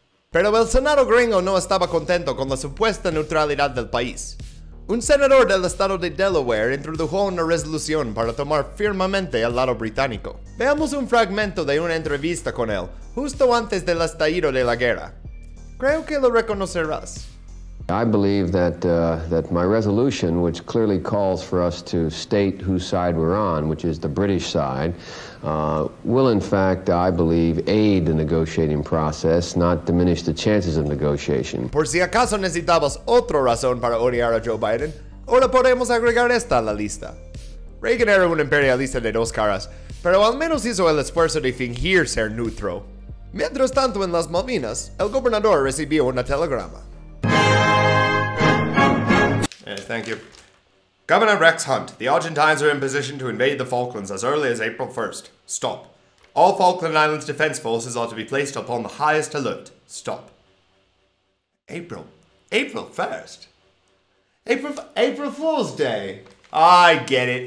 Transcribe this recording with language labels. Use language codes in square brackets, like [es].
[es] Pero el senado gringo no estaba contento con la supuesta neutralidad del país. Un senador del estado de Delaware introdujo una resolución para tomar firmemente al lado británico. Veamos un fragmento de una entrevista con él, justo antes del estallido de la guerra. Creo que lo reconocerás. [en] I believe that that my resolution, which clearly calls for us to state whose side we're on, which is the British side, will in fact, I believe, aid the negotiating process, not diminish the chances of negotiation. [es] Por si acaso necesitabas otra razón para odiar a Joe Biden, ahora podemos agregar esta a la lista. Reagan era un imperialista de dos caras, pero al menos hizo el esfuerzo de fingir ser neutro. Mientras tanto en las Malvinas, el gobernador recibió una telegrama. [en] Yes, thank you. Governor Rex Hunt, the Argentines are in position to invade the Falklands as early as April 1st. Stop. All Falkland Islands defense forces are to be placed upon the highest alert. Stop. April? April 1st? April Fool's Day? I get it.